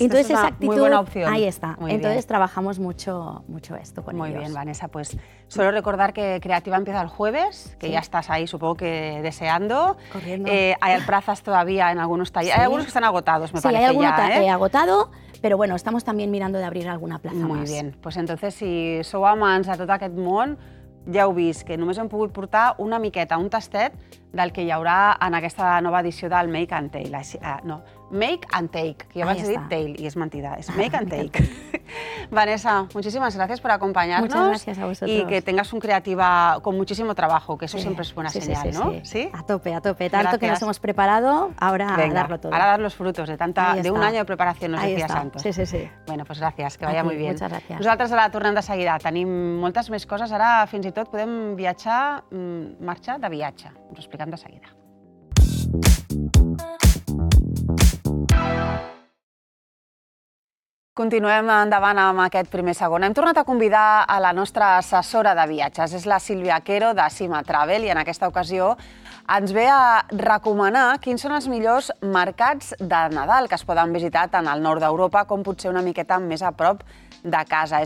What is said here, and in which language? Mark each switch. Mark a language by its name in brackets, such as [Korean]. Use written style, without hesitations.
[Spanish] entonces, es una actitud, muy buena opción. Ahí está. Entonces trabajamos mucho, mucho esto con ellos. Muy bien, Vanessa, pues solo recordar que Creativa empieza el jueves, que ya estás ahí, supongo que deseando. Corriendo. Hay plazas todavía en algunos talleres. Hay algunos que están agotados, me parece ya. Sí, hay algunos que he agotado. [Catalan] Però bueno, estem també mirant de abrir alguna plaça més. Molt bé. Pues entonces, si sou amants de tot aquest món, ja heu vist que només hem pogut portar una miqueta, un tastet del que hi haurà en aquesta nova edició del Make and Tail. No, Make and Take, que ja vaig dir Tail i és mentida, és Make and Take. Vanessa, moltíssimes gràcies per acompanyar-nos. Moltes gràcies a vosaltres. [Spanish] I que tengas un Creativa con muchísimo trabajo, que eso [Catalan] sempre és bona senyal, [Spanish] no? Sí, a tope, a tope. Tanto que nos hemos preparado, ahora a darlo todo. Ara a dar los frutos de tanta, de un año de preparación, nos decía Santos. Sí, sí, sí. Bueno, pues gràcies, que vaya muy bien. Muchas gracias. [Catalan] Nosaltres ara tornem de seguida. Tenim moltes més coses. Ara, fins i tot, podem viatjar, marxar de viatge. Ens ho explicam de seguida. Continuem endavant amb aquest primer segon. Hem tornat a convidar a la nostra assessora de viatges, és la Sílvia Quero, de Cima Travel, i en aquesta ocasió ens ve a recomanar quins són els millors mercats de Nadal que es poden visitar tant al nord d'Europa com potser una miqueta més a prop de casa.